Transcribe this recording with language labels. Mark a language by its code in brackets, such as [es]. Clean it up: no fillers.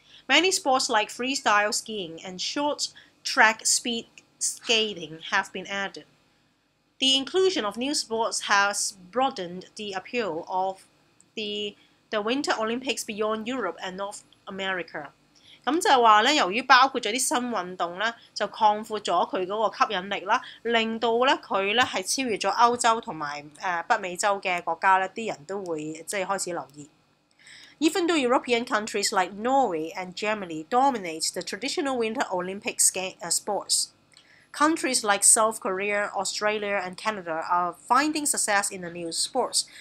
[en] Many sports like freestyle skiing and short track speed skating have been added. The inclusion of new sports has broadened the appeal of the Winter Olympics beyond Europe and North America. [yue] 咁就話咧，由於包括咗啲新運動咧，就擴闊咗佢嗰個吸引力啦，令到咧佢咧係超越咗歐洲同埋北美洲嘅國家咧，啲人都會即係開始留意。 [en] Even though European countries like Norway and Germany dominate the traditional Winter Olympics sports. Countries like South Korea, Australia, and Canada are finding success in the new sports.